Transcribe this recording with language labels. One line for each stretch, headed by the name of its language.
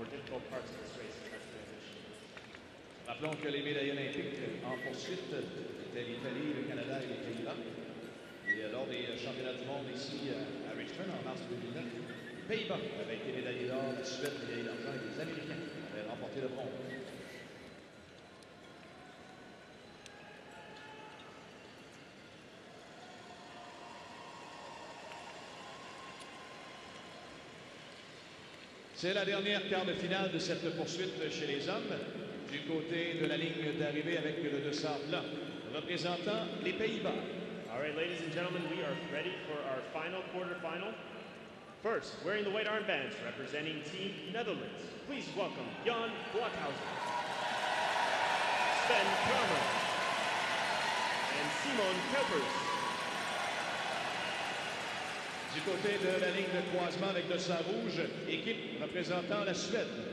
English: four parts of this race in that transition.
French: Rappelons que les médailles olympiques en poursuite étaient l'Italie, le Canada et les Pays-Bas. Et lors des championnats du monde ici à Richmond en mars 2009, les Pays-Bas avaient été médaillés d'or, la Suède, médaillés d'argent et les Américains avaient remporté le bronze. C'est la dernière quart de finale de cette poursuite chez les hommes, du côté de la ligne d'arrivée avec le dessert blanc, représentant les Pays-Bas.
English: All right, ladies and gentlemen, we are ready for our final quarterfinal. First, wearing the white armbands, representing Team Netherlands, please welcome Jan Blokhuizen, Sven Kramer, and Simon Kuipers.
French: Du côté de la ligne de croisement avec le sang rouge, équipe représentant la Suède.